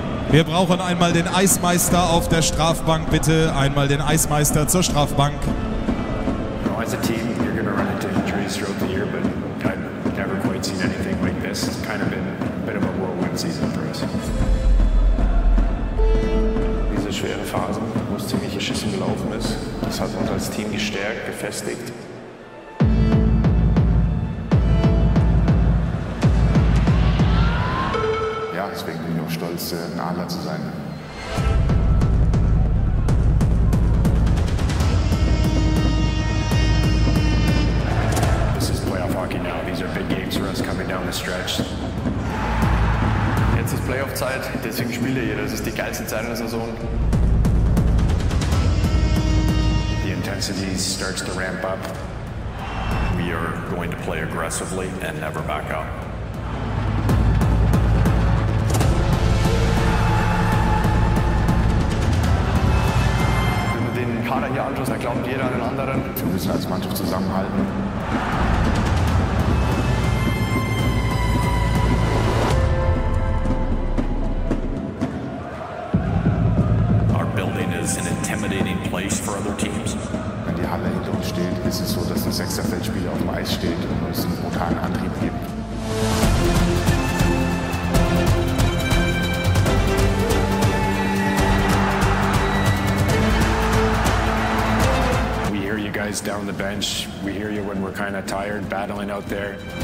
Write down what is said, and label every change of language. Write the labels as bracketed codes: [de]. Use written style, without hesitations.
[de] Wir brauchen einmal den Eismeister auf der Strafbank, bitte. Einmal den Eismeister zur Strafbank. [en] As a team, you're going to run into injuries throughout the year, but I've never quite seen anything like this. It's kind of been a bit of a whirlwind season for us. [de] Diese schwere Phase, wo es ziemlich beschissen gelaufen ist, das hat uns als Team gestärkt, gefestigt. Ein Adler zu sein. [en] This is playoff hockey now. These are big games for us coming down the stretch. [de] Jetzt ist Playoff-Zeit, deswegen spiele ich hier. Das ist die geilste Zeit in der Saison. [en] The intensity starts to ramp up. We are going to play aggressively and never back out. [de] Wenn du den Kader hier anschaust, dann glaubt jeder an den anderen. Wir müssen als Mannschaft zusammenhalten. [en] For other teams. [de] Wenn die Halle hinter uns steht, ist es so, dass ein sechster Feldspieler auf dem Eis steht und uns einen brutalen Antrieb gibt. [en] We hear you guys down the bench. We hear you when we're kind of tired, battling out there.